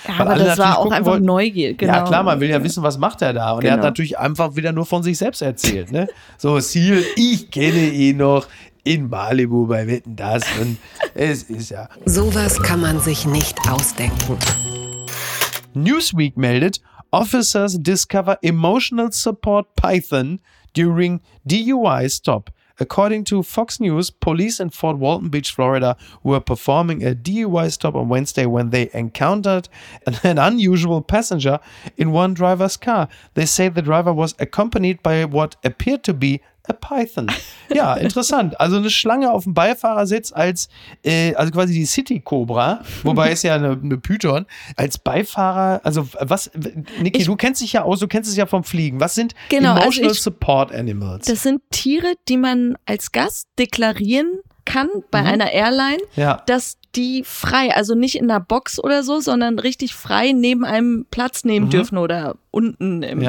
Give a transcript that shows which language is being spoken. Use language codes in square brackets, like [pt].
[de] Ja, aber alle, das war auch einfach wollten, Neugier. Genau. Ja klar, man will ja wissen, was macht er da. Und genau. Er hat natürlich einfach wieder nur von sich selbst erzählt. Ne? So, Ziel, ich kenne ihn noch in Malibu bei Wetten, das. Und es ist ja... Sowas kann man sich nicht ausdenken. Newsweek meldet, [en] Officers discover emotional support Python during DUI stop. According to Fox News, police in Fort Walton Beach, Florida, were performing a DUI stop on Wednesday when they encountered an unusual passenger in one driver's car. They say the driver was accompanied by what appeared to be a Python. [de] Ja, interessant. Also eine Schlange auf dem Beifahrersitz als, also quasi die City-Cobra, wobei es ja eine Python, als Beifahrer, also was, Niki, du kennst dich ja aus, du kennst es ja vom Fliegen. Was sind genau, Emotional also Support Animals? Das sind Tiere, die man als Gast deklarieren kann bei einer Airline, dass die frei, also nicht in einer Box oder so, sondern richtig frei neben einem Platz nehmen dürfen oder unten.